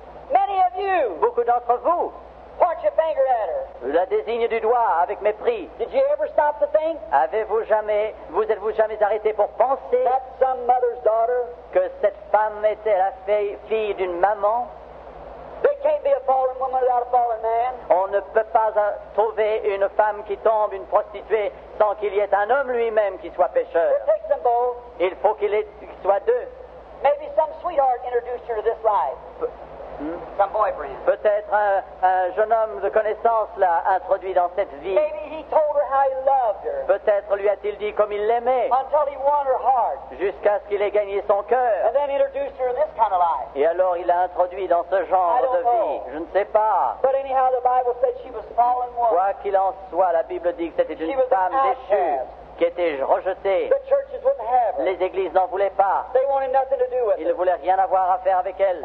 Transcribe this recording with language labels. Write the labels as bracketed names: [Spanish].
[English] Many of you [French] beaucoup d'entre vous [English] point your finger at her. [French] La désigne du doigt avec mépris. [English] Did you ever stop to think [French] vous êtes-vous jamais arrêté pour penser [English] that some mother's daughter [French] que cette femme était la fille d'une maman. [English] They can't be a fallen woman without a fallen man. [French] On ne peut pas trouver une femme qui tombe, une prostituée, sans qu'il y ait un homme lui-même qui soit pécheur. [English] It takes them both. [French] Il faut qu'il soit deux. [English] Maybe some sweetheart introduced her to this life. Some boyfriend. [French] Peut-être un jeune homme de connaissance l'a introduit dans cette vie. [English] Maybe he told her how he loved her. [French] Peut-être lui a-t-il dit comme il l'aimait. [English] Until he won her heart. [French] Jusqu'à ce qu'il ait gagné son cœur. [English] And then introduced her in this kind of life. [French] Et alors il l'a introduit dans ce genre de vie. [English] Know. [French] Je ne sais pas. [English] But anyhow, the Bible said she was fallen woman. [French] Quoi qu'il en soit, la Bible dit que c'était une femme déchue. Qui était rejetée. [English] The churches wouldn't have her. [French] Les églises n'en voulaient pas. [English] They wanted nothing to do with [French] ils ne voulaient rien avoir à faire avec elle.